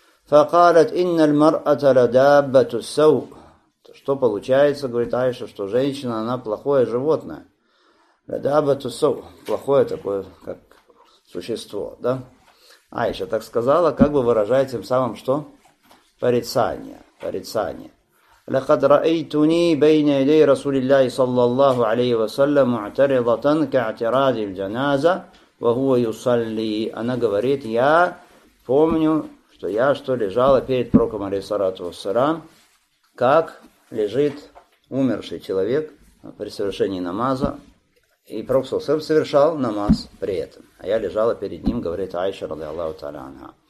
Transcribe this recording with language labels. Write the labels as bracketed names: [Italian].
[Arabic] Факалат инналь мар'ата ладаббату сау. [Russian] Что получается, говорит Айша, что женщина, она плохое животное. [Arabic] Ладаббату сау. [Russian] Плохое такое, как существо. Да? Айша так сказала, как бы выражая тем самым, что? Порицание. Порицание. [Arabic] لقد رأيتني بين يدي رسول الله صلى الله عليه وسلم معترضة كاعتراض الجنازة وهو يصلي. [Russian] Она говорит, я помню, что я что лежала перед пророком алейхиссалату вассалям, как лежит умерший человек при совершении намаза, и пророк сам совершал намаз при этом, а я лежала перед ним, говорит Айша радиаллаху тааля анха.